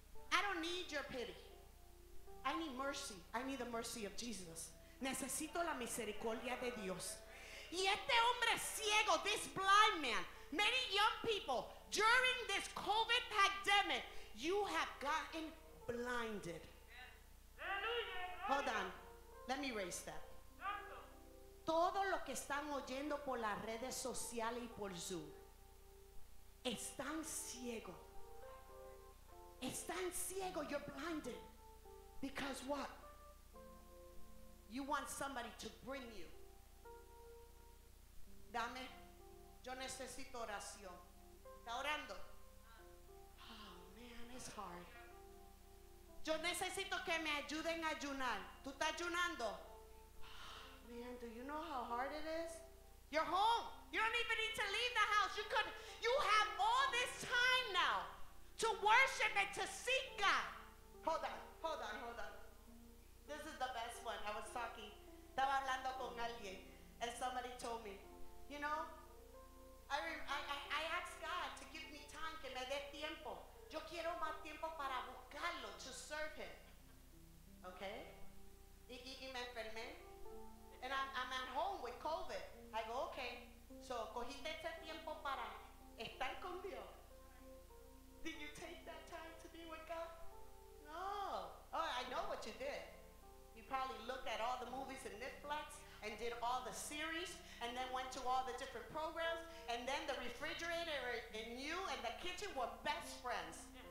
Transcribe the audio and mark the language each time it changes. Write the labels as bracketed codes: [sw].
[en] I don't need your pity. I need mercy. I need the mercy of Jesus. [es] Necesito la misericordia de Dios. Y este hombre ciego, [en] this blind man, many young people, during this COVID pandemic, you have gotten blinded. Hold on. Let me erase that. [es] Todo lo que están oyendo por las redes sociales y por Zoom, están ciego. Están ciego. [en] You're blinded. Because what? You want somebody to bring you. [es] Dame. Yo necesito oración. Orando. [en] Oh man, it's hard. [es] Yo necesito que me ayuden a ayunar. ¿Tú estás ayunando? [en] Oh, man, do you know how hard it is? You're home. You don't even need to leave the house. You have all this time now to worship and to seek God. Hold on. This is the best one. I was talking. [es] Estaba hablando con alguien. [en] And somebody told me, you know, I asked God to give me time, [es] que me dé tiempo. Yo quiero más tiempo para buscarlo, [en] to serve him. Okay? [es] Y me enfermé. [en] And I'm at home with COVID. I go, okay. [es] So, cogiste ese tiempo para estar con Dios. [en] Did you take that time to be with God? No. Oh, I know what you did. You probably looked at all the movies and Netflix and did all the series and then went to all the different programs, and then the refrigerator and you and the kitchen were best friends.